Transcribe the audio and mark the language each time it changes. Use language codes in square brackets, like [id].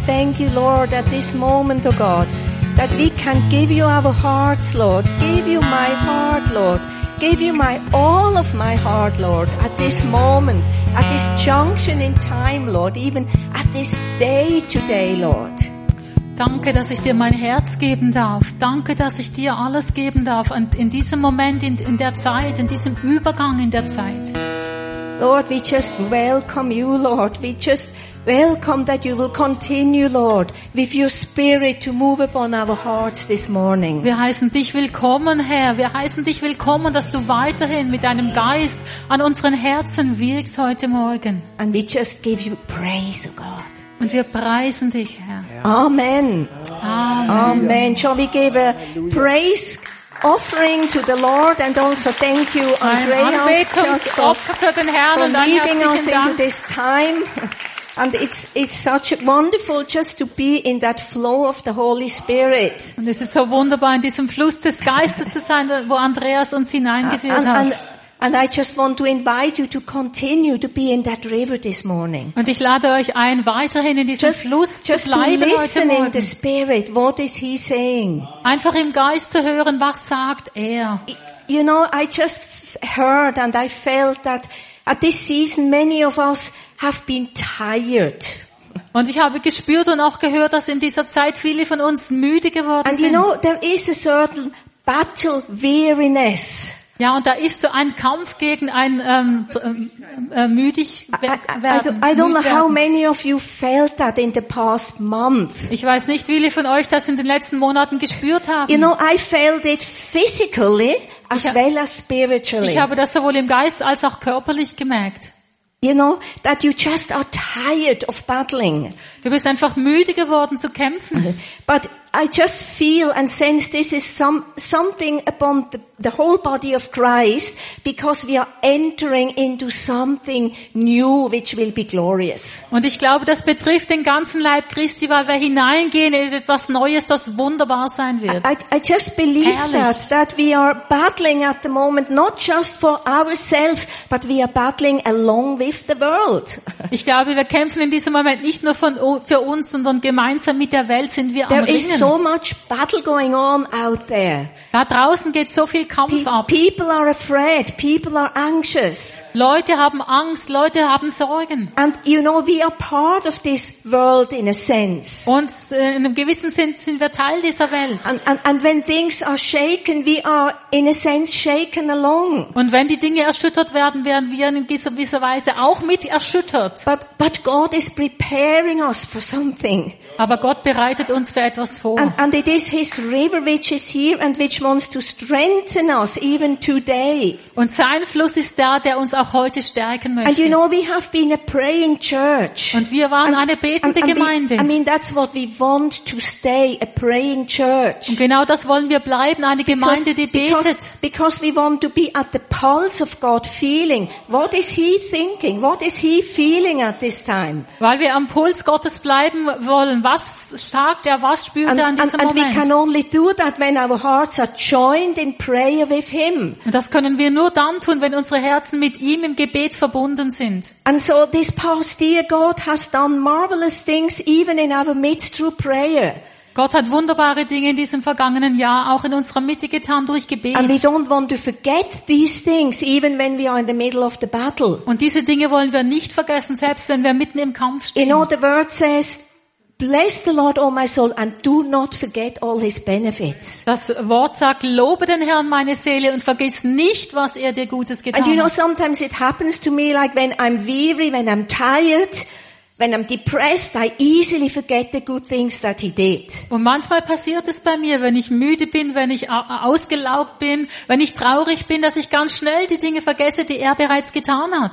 [en] Thank you, Lord, at this moment, oh God, that we can give you our hearts, Lord. Give you my heart, Lord. Give you my all of my heart, Lord, at this moment, at this junction in time, Lord, even at this day today, Lord. [de] Danke, dass ich dir mein Herz geben darf. Danke, dass ich dir alles geben darf. Und in diesem Moment, in der Zeit, in diesem Übergang in der Zeit. [en] Lord, we just welcome you, Lord. We just welcome that you will continue, Lord, with your spirit to move upon our hearts this morning. [de] Wir heißen dich willkommen, Herr. Wir heißen dich willkommen, dass du weiterhin mit deinem Geist an unseren Herzen wirkst heute Morgen. [en] And we just give you praise, oh God. [de] Und wir preisen dich, Herr. Amen. Amen. Amen. [en] Shall we give a praise offering to the Lord and also thank you, Andreas, just for leading us into this time. And it's such wonderful just to be in that flow of the Holy Spirit. [de] Und es ist so wunderbar, in diesem Fluss des Geistes zu sein, wo Andreas uns hineingeführt hat. [en] And I just want to invite you to continue to be in that river this morning. [de] Und ich lade euch ein, weiterhin in diesem Fluss zu bleiben heute Morgen. [en] Just listen in the spirit. What is he saying? [de] Einfach im Geist zu hören, was sagt er? [en] You know, I just heard and I felt that at this season many of us have been tired. [de] Und ich habe gespürt und auch gehört, dass in dieser Zeit viele von uns müde geworden sind. [en] And you know, there is a certain battle weariness. [de] Ja, und da ist so ein Kampf gegen ein müdig werden. [en] I don't know how many of you felt that in the past month. [de] Ich weiß nicht, wie viele von euch das in den letzten Monaten gespürt haben. [en] You know, I felt it physically as well as spiritually. [de] Ich habe das sowohl im Geist als auch körperlich gemerkt. [en] You know that you just are tired of battling. [de] Du bist einfach müde geworden zu kämpfen. [en] But I just feel and sense this is something upon the whole body of Christ because we are entering into something new which will be glorious. [de] Und ich glaube, das betrifft den ganzen Leib Christi, weil wir hineingehen in etwas Neues, das wunderbar sein wird. [en] I just believe that we are battling at the moment not just for ourselves, but we are battling along with the world. [de] Ich glaube, wir kämpfen in diesem Moment nicht nur für uns, sondern gemeinsam mit der Welt sind wir [en] there [de] am Ringen. [en] So much battle going on out there. [de] Da draußen geht so viel Kampf ab. [en] People are afraid. People are anxious. [de] Leute haben Angst. Leute haben Sorgen. [en] And you know we are part of this world in a sense. [de] Und in einem gewissen Sinn sind wir Teil dieser Welt. [en] And when things are shaken, we are in a sense shaken along. [de] Und wenn die Dinge erschüttert werden, werden wir in gewisser Weise auch mit erschüttert. [en] But God is preparing us for something. [de] Aber Gott bereitet uns für etwas. [en] And it is his river which is here and which wants to strengthen us even today. [de] Und sein Fluss ist da, der uns auch heute stärken möchte. [en] And you know we have been a praying church. [de] Und wir waren eine betende Gemeinde. [en] I mean that's what we want to stay, a praying church. [de] Und genau das wollen wir bleiben, eine Gemeinde, die betet. [en] Because we want to be at the pulse of God feeling. What is he thinking? What is he feeling at this time? [de] Weil wir am Puls Gottes bleiben wollen. Was sagt er? Was [en] And we can only do that when our hearts are joined in prayer with him. [de] Und das können wir nur dann tun, wenn unsere Herzen mit ihm im Gebet verbunden sind. [en] And so this past year God has done marvelous things even in our midst through prayer. [de] Gott hat wunderbare Dinge in diesem vergangenen Jahr auch in unserer Mitte getan durch Gebet. [en] And we don't want to forget these things even when we are in the middle of the battle. [de] Und diese Dinge wollen wir nicht vergessen, selbst wenn wir mitten im Kampf stehen. [en] In other words, says bless the Lord, O my soul, and do not forget all his benefits. [de] Das Wort sagt, lobe den Herrn, meine Seele, und vergiss nicht, was er dir Gutes getan hat. [en] And you know, sometimes it happens to me, like when I'm weary, when I'm tired, when I'm depressed, I easily forget the good things that he did. [de] Und manchmal passiert es bei mir, wenn ich müde bin, wenn ich ausgelaugt bin, wenn ich traurig bin, dass ich ganz schnell die Dinge vergesse, die er bereits getan hat.